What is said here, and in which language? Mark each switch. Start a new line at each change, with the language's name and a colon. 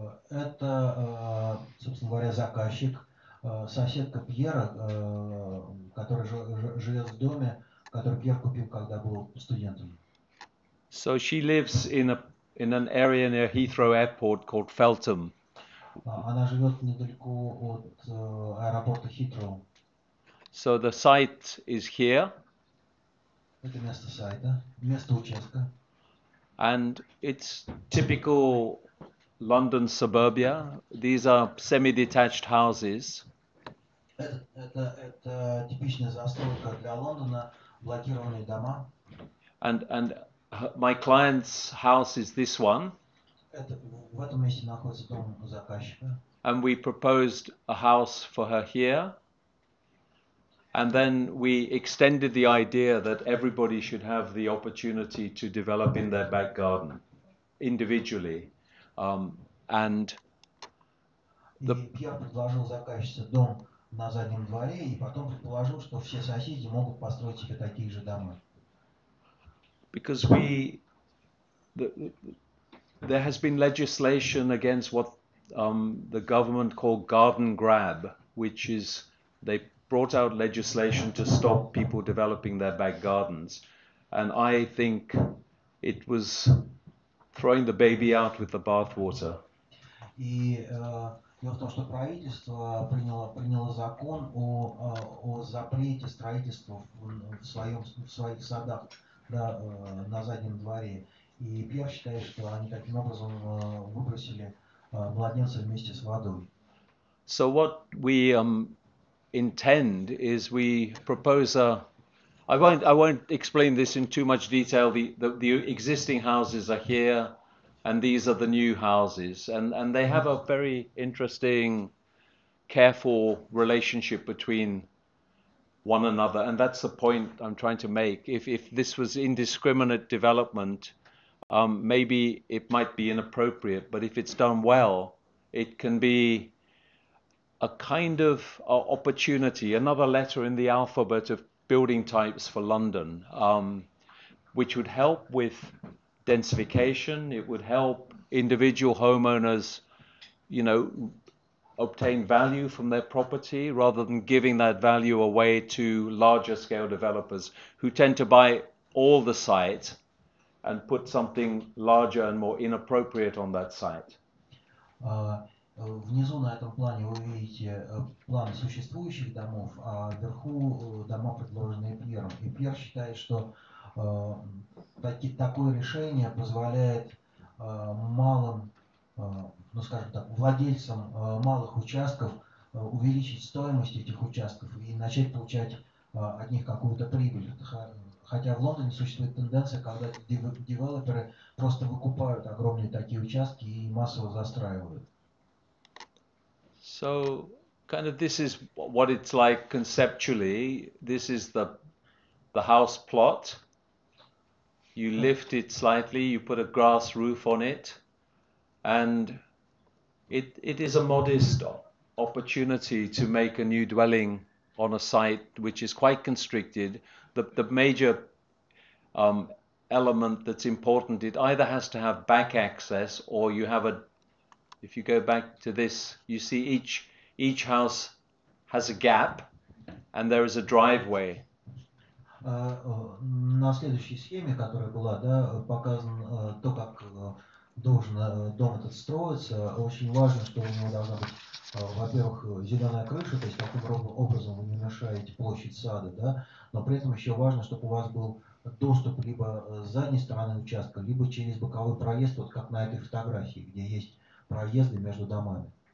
Russian: Это, собственно говоря, заказчик, соседка Пьера, которая живет в доме, который Пьер купил, когда был студентом.
English: So she lives in an area near Heathrow Airport called Feltham.
Russian: Она живет недалеко от аэропорта Хитроу.
English: So the site is here.
Russian: Это место сайта, место участка.
English: And it's typical London suburbia. These are semi-detached houses.
Russian: Это типичная застройка для Лондона, блокированные дома.
English: And my client's house is this one.
Russian: Это, в этом месте находится дом заказчика.
English: And we proposed a house for her here. And then we extended the idea that everybody should have the opportunity to develop in their back garden individually. And the
Russian: Пьер предложил заказчице дом на заднем дворе и потом предположил, что все соседи могут построить себе такие же дома.
English: Because we there has been legislation against what the government called garden grab, which is they brought out legislation to stop people developing their back gardens, and I think it was throwing the baby out with the bathwater.
Russian: И дело в том, что правительство приняло закон о запрете строительства в своих садах, да, на заднем дворе. И Пьер считает, что они таким образом выбросили младенца вместе с водой.
English: So what we intend is we propose a I won't explain this in too much detail. The existing houses are here, and these are the new houses, and they have a very interesting, careful relationship between one another, and that's the point I'm trying to make. If this was indiscriminate development, maybe it might be inappropriate, but if it's done well, it can be a kind of opportunity, another letter in the alphabet of building types for London, which would help with densification. It would help individual homeowners, you know, obtain value from their property rather than giving that value away to larger scale developers who tend to buy all the site and put something larger and more inappropriate on that site.
Russian: Внизу на этом плане вы видите план существующих домов, а вверху дома, предложенные Пьером. И Пьер считает, что такое решение позволяет малым, ну скажем так, владельцам малых участков увеличить стоимость этих участков и начать получать от них какую-то прибыль. Хотя в Лондоне существует тенденция, когда девелоперы просто выкупают огромные такие участки и массово застраивают.
English: So, kind of, this is what it's like conceptually. This is the house plot. You lift it slightly, you put a grass roof on it, and it is a modest opportunity to make a new dwelling on a site which is quite constricted. The major element that's important, it either has to have back access or you have a If you go back to this, you see each house has a gap, and there is a driveway.
Russian: На следующей схеме, которая была, да, показано то, как должен дом этот строиться. Очень важно, что у него должна быть, во-первых, зеленая крыша, то есть таким образом вы не мешаете площадь сада, да, но при этом еще важно, чтобы у вас был доступ либо с задней стороны участка, либо через боковой проезд, вот как на этой фотографии, где есть проезды между домами.